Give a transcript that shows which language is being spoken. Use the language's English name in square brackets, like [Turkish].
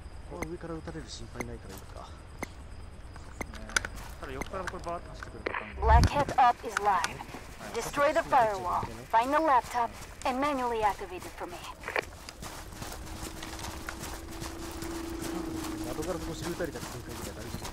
[Japanese] この上から撃たれる心配ないからいいか。ただ横からこれバーッと走ってくる。 [English] Blackhead up is live. Destroy the firewall. Find the laptop and manually activate it for me. [Japanese] あとから少し撃たれた瞬間みたいな。